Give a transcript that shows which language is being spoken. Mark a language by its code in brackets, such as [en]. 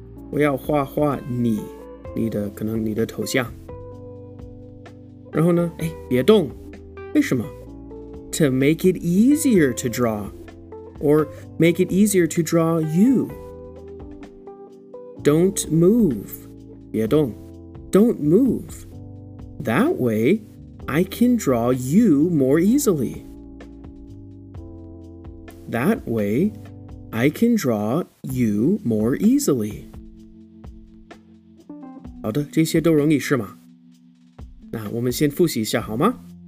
[zh] 我要画画你，你的可能你的头像。然后呢？哎，别动。为什么？ [en] To make it easier to draw. Or make it easier to draw you. Don't move. [zh] 别动。 [en] Don't move. That way, I can draw you more easily. That way, I can draw you more easily. [zh] 好的，这些都容易是吗？那我们先复习一下好吗？